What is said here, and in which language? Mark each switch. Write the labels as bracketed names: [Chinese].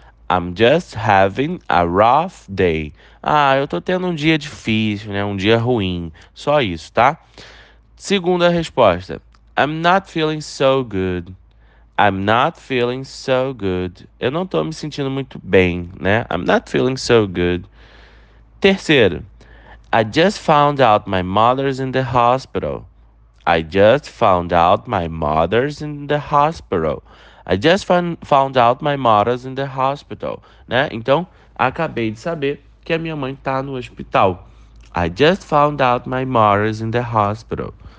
[English] I'm just having a rough day. [Portuguese] Ah, eu tô tendo um dia difícil, né? Um dia ruim. Só isso, tá? Segunda resposta: [English] I'm not feeling so good. I'm not feeling so good. [Portuguese] Eu não tô me sentindo muito bem, né? [English] I'm not feeling so good. [Portuguese] Terceiro, [English] I just found out my mother's in the hospital. I just found out my mother's in the hospital. I just found out my mother's in the hospital, né? [Portuguese] Então, acabei de saber que a minha mãe tá no hospital. [English] I just found out my mother's in the hospital.